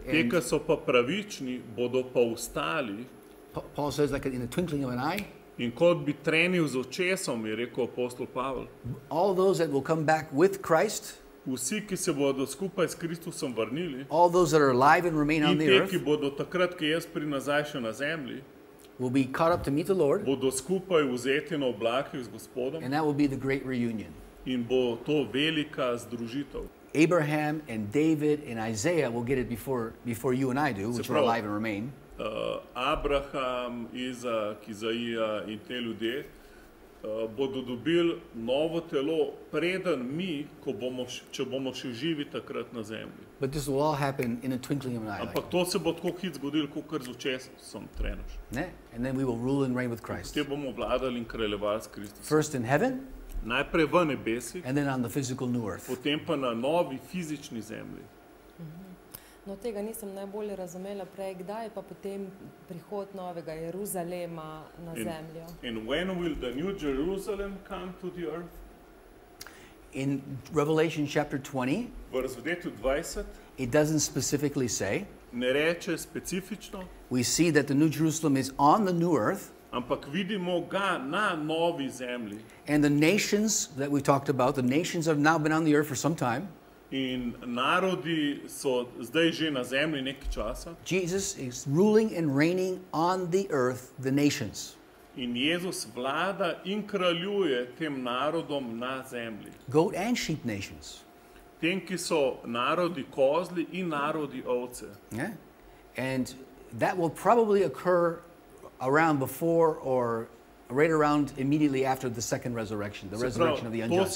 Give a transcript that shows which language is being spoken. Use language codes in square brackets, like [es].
[sl] Te, ki so pa pravični, bodo pa ustali. [en] Paul says like in the twinkling of an eye. [sl] In kot bi trenil z očesom, je rekel apostol Pavel. [en] All those that will come back with Christ. [sl] Vsi, ki se bodo skupaj s Kristusom vrnili. [en] All those that are alive and remain on the earth. [sl] In te, ki bodo takrat, ki jaz pri nazaj še na zemlji. [en] Will be caught up to meet the Lord. [sl] Bodo skupaj vzeti na oblakih z gospodom. [en] And that will be the great reunion. [sl] In bo to velika združitev. [en] Abraham and David and Isaiah will get it before you and I do, which are alive and remain. [sl] Abraham, Izak, Izaija in te ljudje bodo dobili novo telo preden mi, ko bomo če bomo še živi takrat na zemlji. [en] But this will all happen in a twinkling of an eye. [sl] Ampak to se bo tako hit zgodilo, kakor z očesom trenuš. Ne? [en] And then we will rule and reign with Christ. [sl] Te bomo vladali in kraljevali s Kristusom. [en] First in heaven. [sl] Najprej v nebesi, [en] and then on the physical new earth. [sl] Potem pa na novi fizični zemlji. No, tega nisem najbolje razumela prej, kdaj pa potem prihod novega Jeruzalema na zemljo. [en] And when will the new Jerusalem come to the earth? In Revelation chapter 20, [sl] v razvedetu 20, [en] it doesn't specifically say, [sl] ne reče specifično, [en] we see that the new Jerusalem is on the new earth, [sl] ampak vidimo ga na novi zemlji. [en] And the nations that we talked about, the nations have now been on the earth for some time. [sl] In narodi so zdaj že na zemlji nekaj časa. [en] Jesus is ruling and reigning on the earth, the nations. [sl] In Jezus vlada in kraljuje tem narodom na zemlji. [en] Goat and sheep nations. [sl] Tem, ki so narodi kozli in narodi ovce. [en] Yeah. And that will probably occur around before or right around immediately after the second resurrection, the resurrection of the unjust.